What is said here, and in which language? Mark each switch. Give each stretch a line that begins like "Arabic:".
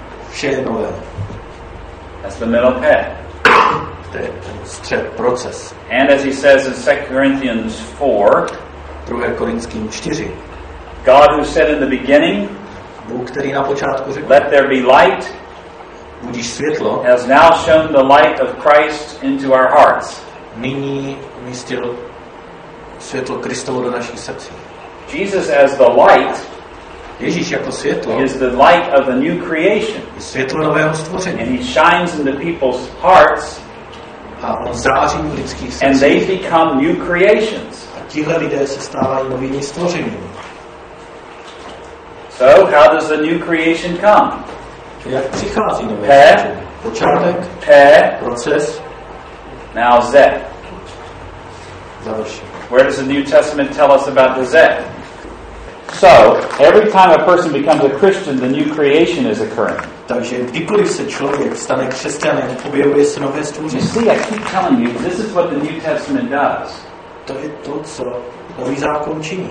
Czech: Vše je nové.
English: That's the middle path.
Czech: Střed, proces.
English: And as he says in 2 Corinthians 4,
Czech: 2. Korinským 4,
English: God who said in the beginning,
Czech: Bůh, který na počátku řekl,
English: let there be light,
Czech: budiš světlo,
English: has now shown the light of Christ into our hearts.
Czech: Nyní umístil světlo Kristovo do našich srdcí.
English: Jesus as the light,
Czech: Ježíš jako světlo,
English: is the light of the new creation.
Czech: Je světlo nového stvoření.
English: And he shines in the people's hearts.
Czech: A on září v lidských srdcích.
English: And they become new creations.
Czech: A tihle lidé se stávají novými stvořeními.
English: So, how does the new creation come?
Czech: Jak přichází nové stvoření? Počátek. Proces.
English: Now Zet.
Czech: Završi.
English: Where does the New Testament tell us about the Zet? So, every time a person becomes a Christian, the new creation is occurring.
Czech: Takže kdykoliv se člověk stane křesťanem, objevuje se nové stvoření.
English: See, I keep telling you, this is what the New Testament does.
Czech: To je to, co nový zákon činí.